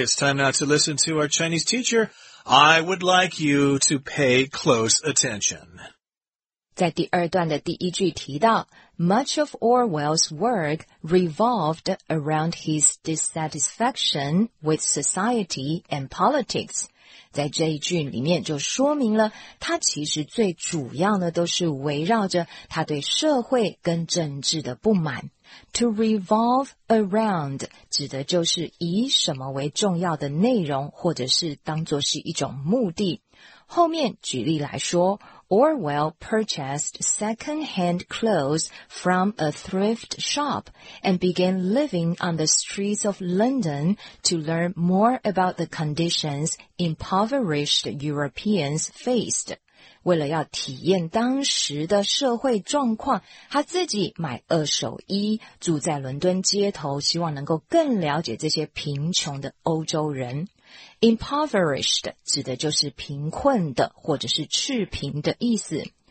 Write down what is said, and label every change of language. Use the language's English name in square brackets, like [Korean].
[English] It's time now to listen to our Chinese teacher. I would like you to pay close attention. [Chinese] 在第二段的第一句提到, [English] much of Orwell's work revolved around his dissatisfaction with society and politics. [Chinese] 在这一句里面就说明了他其实最主要的都是围绕着他对社会跟政治的不满。 [English] To revolve around [Chinese] 指的就是以什么为重要的内容或者是当作是一种目的。后面举例来说, [English] Orwell purchased second-hand clothes from a thrift shop and began living on the streets of London to learn more about the conditions impoverished Europeans faced. [Chinese] 为了要体验当时的社会状况，他自己买二手衣，住在伦敦街头，希望能够更了解这些贫穷的欧洲人。 Impoverished 指的就是贫困的或者是赤贫的意思。